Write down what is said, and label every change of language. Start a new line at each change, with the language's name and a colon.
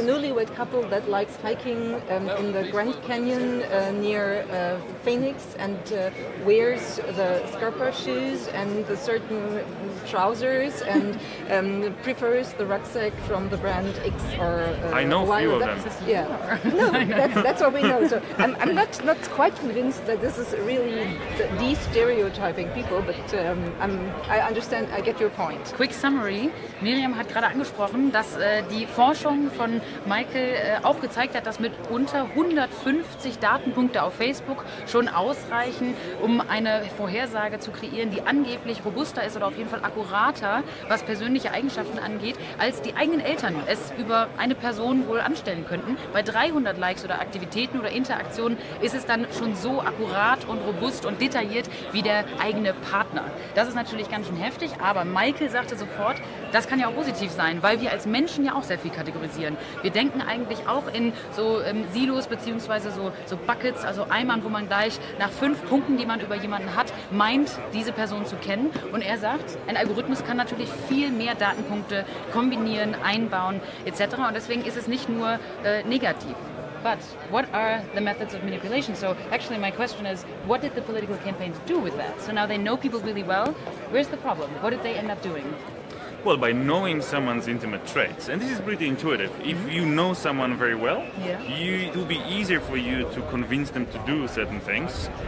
English: The newlywed couple that likes hiking in the Grand Canyon near Phoenix and wears the Scarpa shoes and the certain trousers and prefers the rucksack from the brand X or I know a few of them. Yeah. No, that's what we know. So I'm not quite convinced that this is really de-stereotyping people, but I understand, I get your point. Quick summary.
German: Miriam hat gerade angesprochen, dass die Forschung von Michael auch gezeigt hat, dass mit unter 150 Datenpunkte auf Facebook schon ausreichen, um eine Vorhersage zu kreieren, die angeblich robuster ist oder auf jeden Fall akkurater, was persönliche Eigenschaften angeht, als die eigenen Eltern es über eine Person wohl anstellen könnten. Bei 300 Likes oder Aktivitäten oder Interaktionen ist es dann schon so akkurat und robust und detailliert wie der eigene Partner. Das ist natürlich ganz schön heftig, aber Michael sagte sofort, das kann ja auch positiv sein, weil wir als Menschen ja auch sehr viel kategorisieren. Wir denken eigentlich auch in so Silos bzw. so Buckets, also Eimern, wo man gleich nach 5 Punkten, die man über jemanden hat, meint, diese Person zu kennen. Und er sagt, ein Algorithmus kann natürlich viel mehr Datenpunkte kombinieren, einbauen etc. Und deswegen ist es nicht nur negativ.
English: But what are the methods of manipulation? So actually my question is, what did the political campaigns do with that? So now they know people really well. Where's the problem? What did they end up doing? Well, by knowing someone's intimate traits. And this is pretty intuitive. If you know someone very well, it will be easier for you to convince them to do certain things.